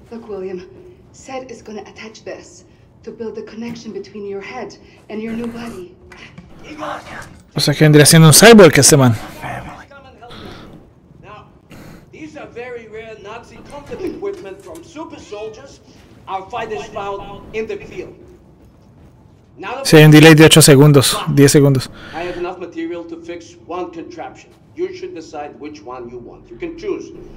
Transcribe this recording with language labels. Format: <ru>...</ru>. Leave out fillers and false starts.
<en>Look, William, Seth is going to attach this to build the connection between your head and your new body.</en> <es>O sea que vendría siendo un cyborg este man.</es> <en>Now, these are very rare Nazi combat equipment from super soldiers our fighters found in the field.</en> <es>Sí, hay un delay de 8 segundos, 10 segundos.</es> <en>I have enough material to fix one contraption. You should decide which one you want. You can choose.</en>